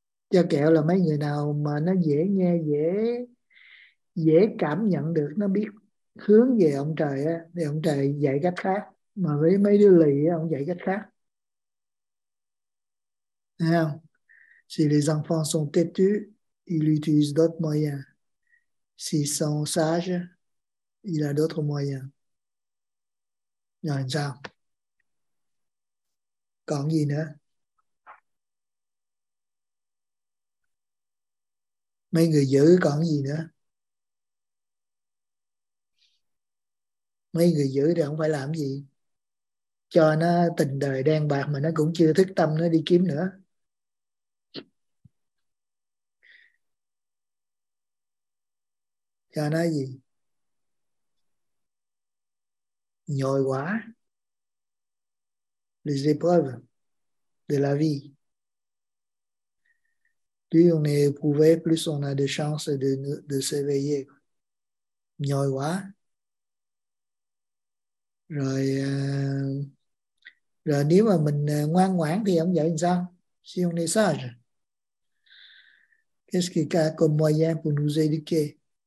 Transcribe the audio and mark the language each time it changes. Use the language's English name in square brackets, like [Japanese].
[Vietnamese] Cho kẹo là mấy người nào mà nó dễ nghe, dễ dễ cảm nhận được, nó biết hướng về ông trời á, thì ông trời dạy cách khác, mà với mấy đứa lì ông dạy cách khác. Thấy không? [French] Si les enfants sont têtus, ils utilisent d'autres moyens. S'ils sont sages, ils ont d'autres moyens. [Vietnamese] Rồi sao? Còn gì nữa? Mấy người dữ còn gì nữa? Mấy người dữ thì không phải làm gì. Cho nó tình đời đen bạc mà nó cũng chưa thức tâm nó đi kiếm nữa. Cho nó gì? Nhồi quá. [French] Les épreuves de la vie. Plus on est éprouvé, plus on a de chances de s'éveiller. [Vietnamese] Nhồi quá. Rồi nếu mà mình ngoan ngoãn thì ông dạy làm sao? [French] Si on est sage. Qu'est-ce qu'il y a comme moyen pour nous éduquer?